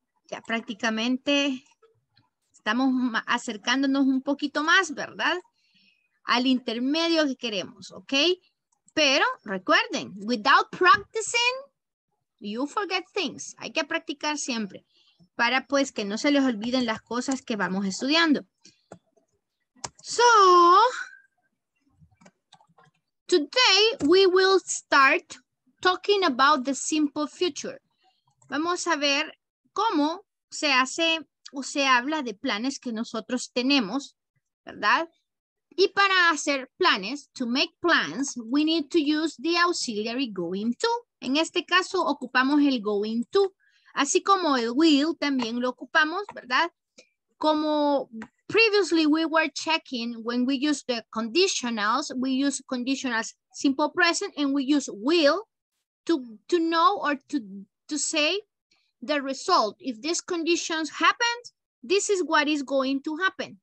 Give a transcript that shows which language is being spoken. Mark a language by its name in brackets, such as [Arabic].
[Spanish] Ya prácticamente estamos acercándonos un poquito más, ¿verdad? Al intermedio que queremos, ¿ok? Pero recuerden, [English] without practicing, you forget things. [Spanish] Hay que practicar siempre para pues que no se les olviden las cosas que vamos estudiando. [English] So, today we will start talking about the simple future. [Spanish] Vamos a ver cómo se hace o se habla de planes que nosotros tenemos, ¿verdad? Y para hacer planes, [English] to make plans, we need to use the auxiliary going to. [Spanish] En este caso, ocupamos el going to. Así como el will, también lo ocupamos, ¿verdad? [English] Como previously we were checking, when we use the conditionals, we use conditionals simple present, and we use will to know or to say the result. If this conditions happens, this is what is going to happen.